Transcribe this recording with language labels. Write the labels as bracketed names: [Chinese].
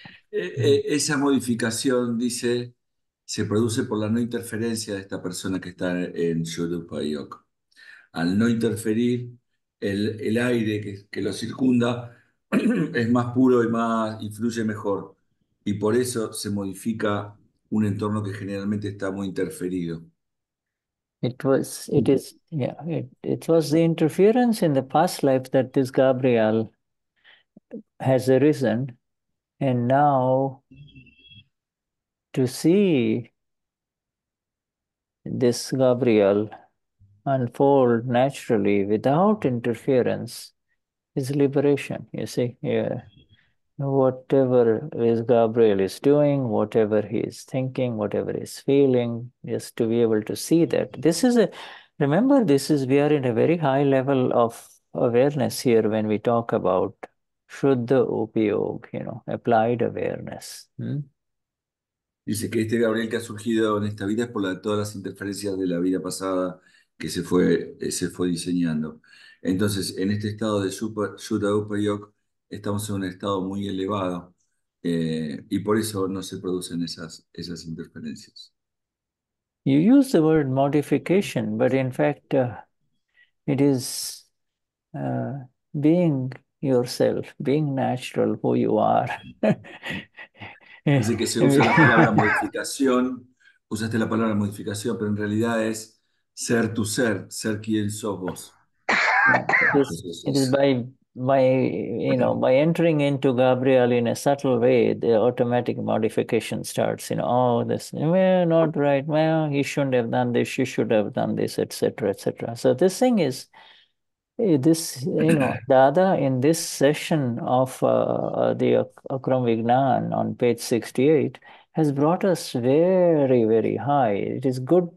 [Spanish] Esa modificación, dice, se produce por la no interferencia de esta persona que está en Shuddha Upayog. Al no interferir, el aire que lo circunda es más puro y más y fluye mejor. Y por eso se modifica un entorno que generalmente está muy interferido. [English] It was the interference in the past life that this Gabriel has arisen, and now to see this Gabriel unfold naturally without interference is liberation. You see here. Whatever is Gabriel is doing, whatever he is thinking, whatever he is feeling, just to be able to see that. We are in a very high level of awareness here when we talk about Shuddha Upayog, applied awareness. [Spanish] Dice que este Gabriel que ha surgido en esta vida es por todas las interferencias de la vida pasada que se fue diseñando. Entonces, en este estado de Shuddha Upayog, estamos en un estado muy elevado y por eso no se producen esas interferencias. [English] You use the word modification, but in fact it is being yourself, being natural who you are. [Spanish] Así que se usa la palabra modificación, usaste la palabra modificación, pero en realidad es ser tu ser, ser quien sos vos. [English] It is by you know, by entering into Gabriel in a subtle way, the automatic modification starts. You know, oh, this, well, not right. Well, he shouldn't have done this. She should have done this, etc., etc. So this thing is, this, you know, Dada, in this session of the Akram Vignan on page 68, has brought us very, very high. It is good.